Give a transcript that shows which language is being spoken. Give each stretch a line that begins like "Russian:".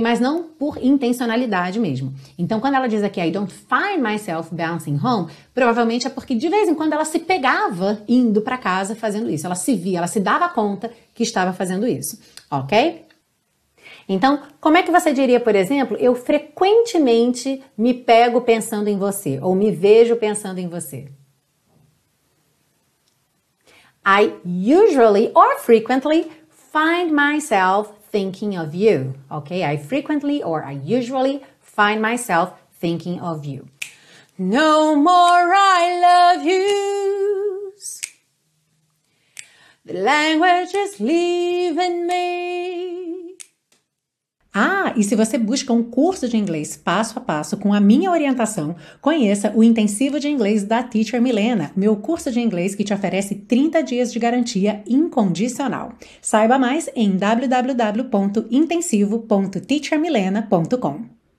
Portuguese: Mas não por intencionalidade mesmo. Então, quando ela diz aqui,
English: I don't find myself bouncing home,
Portuguese: provavelmente é porque de vez em quando ela se pegava indo para casa fazendo isso. Ela se via, ela se dava conta que estava fazendo isso, ok? Então, como é que você diria, por exemplo, eu frequentemente me pego pensando em você ou me vejo pensando em você?
English: I usually or frequently find myself thinking of you, ok? I frequently or I usually find myself thinking of you. No more I love yous, the language is leaving me.
Portuguese: Ah, e se você busca um curso de inglês passo a passo com a minha orientação, conheça o Intensivo de Inglês da Teacher Milena, meu curso de inglês que te oferece 30 dias de garantia incondicional. Saiba mais em www.intensivo.teachermilena.com.